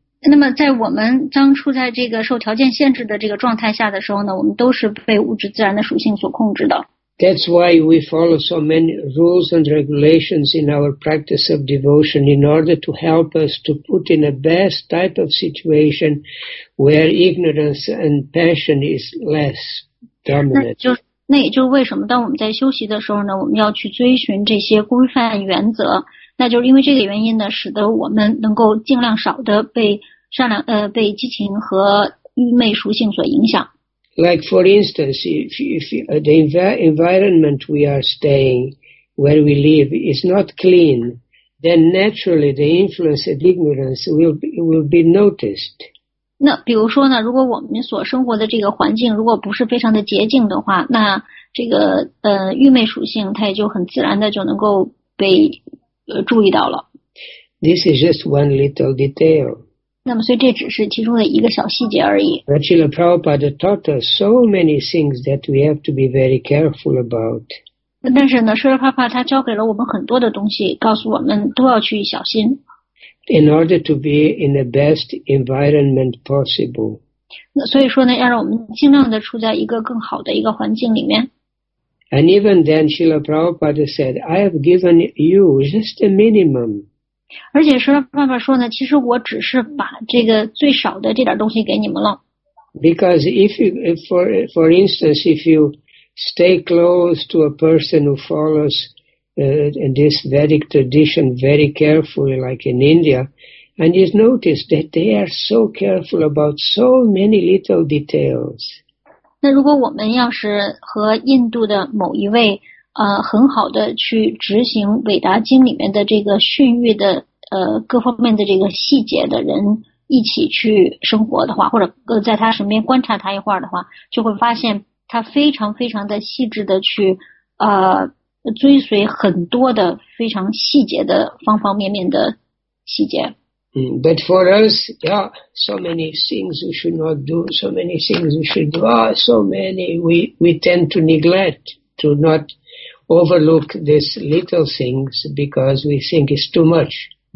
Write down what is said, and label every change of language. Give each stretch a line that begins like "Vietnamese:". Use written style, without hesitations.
Chinese: 那么在我们当初在这个受条件限制的这个状态下的时候呢，我们都是被物质自然的属性所控制的。
English: That's why we follow so many rules and regulations in our practice of devotion in order to help us to put in a best type of situation where ignorance and passion is less dominant.
Chinese: 那也就是为什么当我们在休息的时候呢，我们要去遵循这些规范原则。那就是因为这个原因呢，使得我们能够尽量少的被善良被激情和愚昧属性所影响。
English: Like for instance, if the environment we are staying, where we live, is not clean, then naturally the influence of ignorance will be noticed.
Chinese: 那比如说呢，如果我们所生活的这个环境如果不是非常的洁净的话，那这个愚昧属性它也就很自然的就能够被注意到了。
English: This is just one little detail.
Chinese: 那么所以这只是其中的一个小细节而已。
English: Srila Prabhupada taught us so many things that we have to be very careful about.
Chinese: 但是呢，Srila Prabhupada他教给了我们很多的东西，告诉我们都要去小心。
English: In order to be in the best environment possible.
Chinese: 那所以说呢，要让我们尽量的处在一个更好的一个环境里面。
English: And even then, Srila Prabhupada said, I have given you just a minimum.
Chinese: 而且 Srila Prabhupada 说呢，其实我只是把这个最少的这点东西给你们了。
English: Because if, for instance, if you stay close to a person who follows in this Vedic tradition very carefully, like in India, and you notice that they are so careful about so many little details.
Chinese: 那如果我们要是和印度的某一位很好的去执行韦达经里面的这个训谕的各方面的这个细节的人一起去生活的话，或者在他身边观察他一会儿的话，就会发现他非常非常的细致的去追随很多的非常细节的方方面面的细节。
English: But for us, yeah, so many things we should not do, so many things we should do, so many we tend to neglect, to not overlook these little things because we think it's too much.